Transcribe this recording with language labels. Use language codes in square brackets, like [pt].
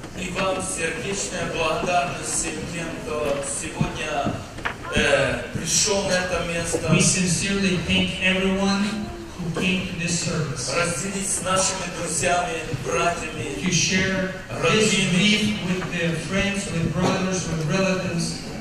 [ru] И вам сердечная благодарность всем тем, кто сегодня пришел на это место. [en] We sincerely thank everyone who came to this service. [ru] Разделить с нашими друзьями, братьями, [en] to share this belief with their friends, with brothers, with relatives.